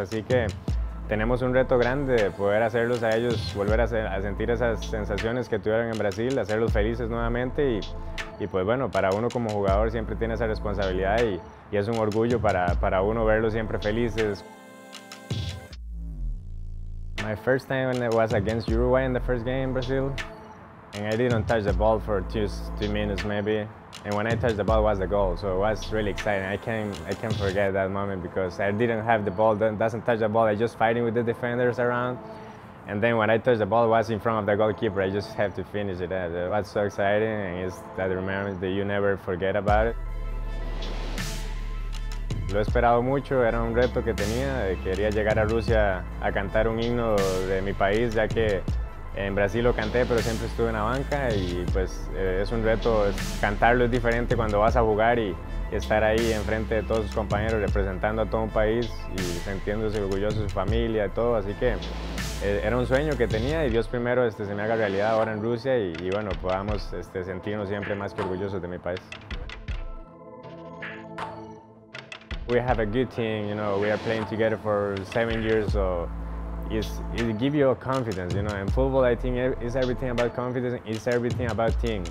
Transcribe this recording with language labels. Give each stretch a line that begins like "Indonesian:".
Spanish: Así que tenemos un reto grande de poder hacerlos a ellos, volver a sentir esas sensaciones que tuvieron en Brasil, hacerlos felices nuevamente. Y pues bueno, para uno como jugador siempre tiene esa responsabilidad y es un orgullo para uno verlos siempre felices.
English: My first time when it was against Uruguay in the first game in Brazil, and I didn't touch the ball for two minutes maybe, and when I touched the ball was the goal, so it was really exciting. I can't forget that moment because I didn't have the ball, doesn't touch the ball, I just fighting with the defenders around, and then when I touched the ball it was in front of the goalkeeper, I just have to finish it. It was so exciting, and it's that moment that you never forget about it.
Spanish: Lo he esperado mucho, era un reto que tenía, quería llegar a Rusia a cantar un himno de mi país, ya que en Brasil lo canté, pero siempre estuve en la banca y pues es un reto, cantarlo es diferente cuando vas a jugar y estar ahí enfrente de todos sus compañeros representando a todo un país y sintiéndose orgulloso de su familia y todo, así que era un sueño que tenía y Dios primero se me haga realidad ahora en Rusia y bueno, podamos sentirnos siempre más que orgullosos de mi país.
English: We have a good team, you know, we are playing together for 7 years, so it gives you a confidence, you know. In football, I think it's everything about confidence, it's everything about team.